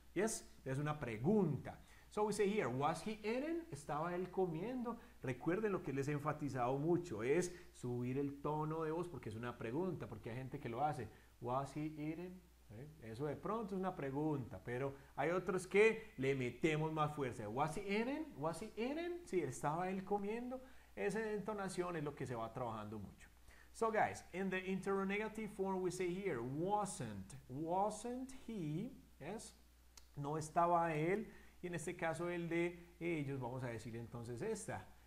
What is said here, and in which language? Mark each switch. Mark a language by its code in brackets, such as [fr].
[en] Yes, [es] es una pregunta. [en] So we say here, was he eating? [es] ¿Estaba él comiendo? Recuerden lo que les he enfatizado mucho, es subir el tono de voz porque es una pregunta, porque hay gente que lo hace. [en] Was he eating? [es] ¿Eh? Eso de pronto es una pregunta, pero hay otros que le metemos más fuerza. [en] Was he eating? Was he eating? [es] Sí, ¿estaba él comiendo? Esa entonación es lo que se va trabajando mucho. [en] So guys, in the interrogative form we say here, wasn't. Wasn't he? Yes, [es] no estaba él. Y en este caso el de ellos, vamos a decir entonces esta.